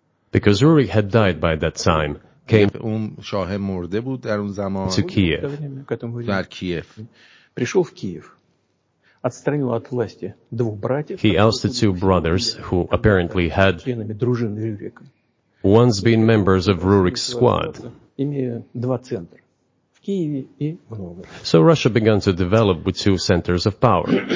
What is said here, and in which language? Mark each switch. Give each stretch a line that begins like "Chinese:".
English: because Rurik had died by that time came
Persian: اون شاه مرده بود در اون زمان
English: to Kiev
Persian: در کیف
Russian: пришёл в Киев отстранил от власти двух братьев.
English: He ousted two brothers who apparently had once been members of Rurik's squad. So Russia began to develop with two centers of power.